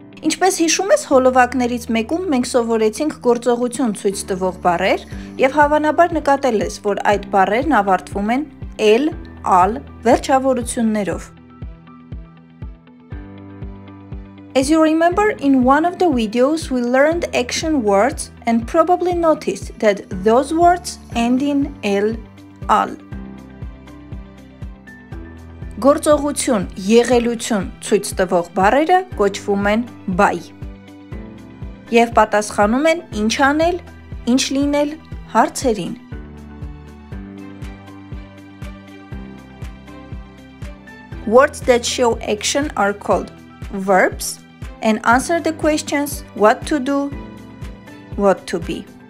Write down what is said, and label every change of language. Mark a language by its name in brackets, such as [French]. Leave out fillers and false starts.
[Armenian] Ինչպես հիշում ես, հոլովակներից մեկում մենք սովորեցինք գործողություն ցույց տվող բառեր, եւ հավանաբար նկատել ես, որ այդ բառերն ավարտվում են «el», «al» վերջավորություններով. [English] As you remember, in one of the videos we learned action words and probably noticed that those words end in «el», «al». [Armenian] Գործողություն, եղելություն ցույց տվող բառերը կոչվում են «bai» և պատասխանում են «ինչ անել», «ինչ լինել» հարցերին։ [English] Words that show action are called verbs and answer the questions what to do, what to be.